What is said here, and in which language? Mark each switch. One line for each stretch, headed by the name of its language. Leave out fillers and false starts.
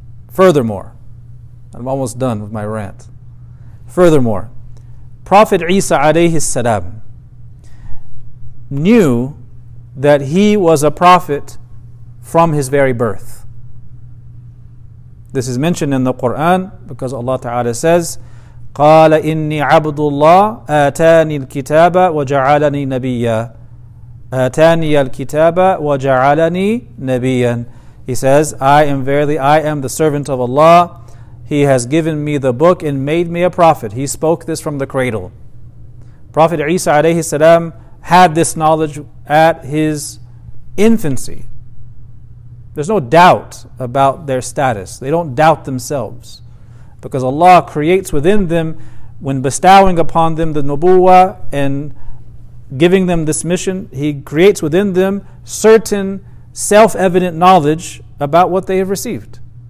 English: Furthermore, I'm almost done with my rant. Furthermore, Prophet Isa alayhi salam knew that he was a prophet from his very birth. This is mentioned in the Quran because Allah Ta'ala says,
Arabic: قَالَ إِنِّي عَبْدُ اللَّهِ آتَانِي الْكِتَابَ وَجَعَلَنِي نَبِيًّا أتاني الكتاب وجعلني نبيا.
English: He says, I am the servant of Allah. He has given me the book and made me a prophet. He spoke this from the cradle. Prophet Isa alayhi salam had this knowledge at his infancy. There's no doubt about their status. They don't doubt themselves, because Allah creates within them, when bestowing upon them the nubuwa and giving them this mission, he creates within them certain self-evident knowledge about what they have received.